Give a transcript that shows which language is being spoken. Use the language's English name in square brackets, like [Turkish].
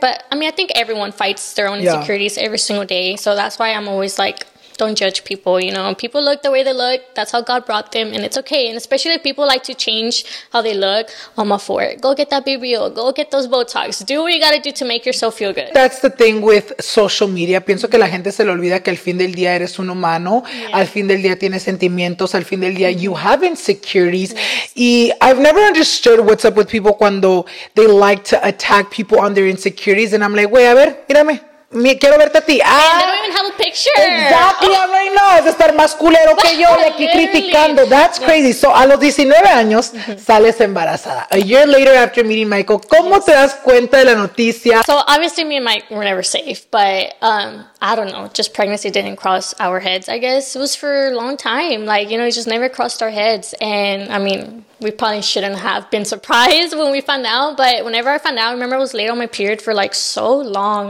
[English] But I mean, I think everyone fights their own insecurities every single day, so that's why I'm always like, don't judge people, you know. People look the way they look. That's how God brought them, and it's okay. And especially if people like to change how they look, I'm all for it. Go get that BBL. Go get those Botox. Do what you gotta do to make yourself feel good. That's the thing with social media. [Spanish] Pienso que la gente se le olvida que al fin del día eres un humano. Yeah. Al fin del día tienes sentimientos. Al fin del día [English] you have insecurities. [Spanish] Yes. [English] Y I've never understood what's up with people cuando they like to attack people on their insecurities. And I'm like, wait, [Spanish] a ver, mírame. Quiero verte a ti. [English] Ah, and they don't even have a picture. Exactly, oh. Right now. [Spanish] Es estar más culero que yo, de aquí criticando. [English] That's crazy. [Spanish] So, a los 19 años, sales embarazada. [English] A year later, after meeting Michael, [Spanish] ¿cómo te das cuenta de la noticia? [English] So, obviously, me and Mike were never safe, but I don't know. Just pregnancy didn't cross our heads, I guess. It was for a long time. Like, you know, it just never crossed our heads. And, I mean, we probably shouldn't have been surprised when we found out. But whenever I found out, I remember I was late on my period for like so long.